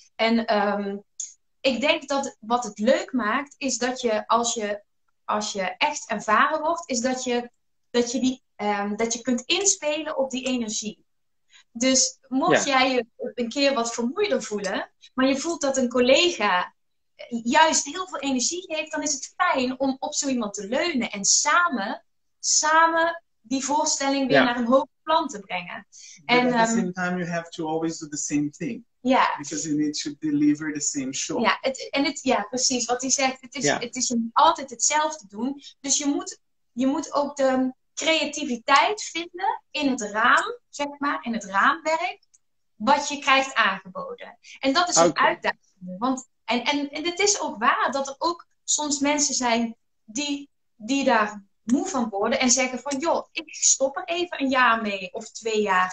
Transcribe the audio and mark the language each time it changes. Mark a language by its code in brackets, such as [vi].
[nl] En ik denk dat wat het leuk maakt, is dat je als je echt ervaren wordt, is dat je kunt inspelen op die energie. Dus mocht jij je een keer wat vermoeider voelen, maar je voelt dat een collega juist heel veel energie geeft, dan is het fijn om op zo iemand te leunen en samen die voorstelling weer naar een hoger plan te brengen. [en] En at the same time, you have to always do the same thing. [nl] Ja. [en] Because you need to deliver the same show. [nl] Ja, precies. Wat hij zegt, het is je altijd hetzelfde doen. Dus je moet ook de creativiteit vinden in het raam, zeg maar, in het raamwerk, wat je krijgt aangeboden. En dat is een uitdaging. Want en het is ook waar dat er ook soms mensen zijn die daar moe van worden en zeggen van, joh, ik stop er even een jaar mee of 2 jaar.